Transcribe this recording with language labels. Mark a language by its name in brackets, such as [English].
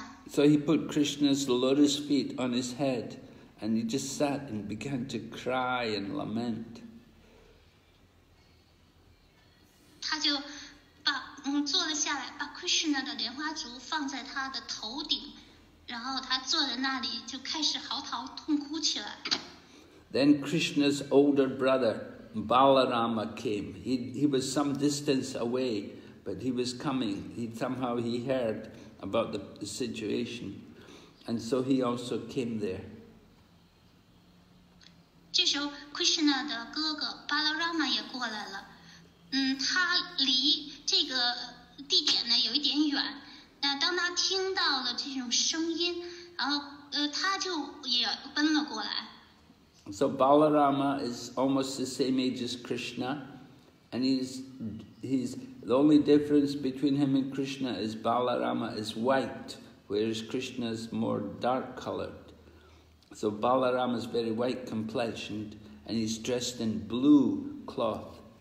[English] So he put Krishna's lotus feet on his head and he just sat and began to cry and lament. [Chinese] 他就把, 坐了下来，把 Krishna 的莲花烛放在他的头顶，然后他坐在那里就开始嚎啕痛哭起来。 [English] Then Krishna's older brother Balarama came. He was some distance away, but he was coming. He heard about the situation, and so he also came there. [Chinese] 这时候 Krishna 的哥哥 Balarama 也过来了。他离这个地点呢有一点远。那当他听到了这种声音，然后他就也奔了过来。 [English] So Balarama is almost the same age as Krishna, and he's the only difference between him and Krishna is Balarama is white, whereas Krishna is more dark colored. So Balarama is very white complexioned, and he's dressed in blue cloth.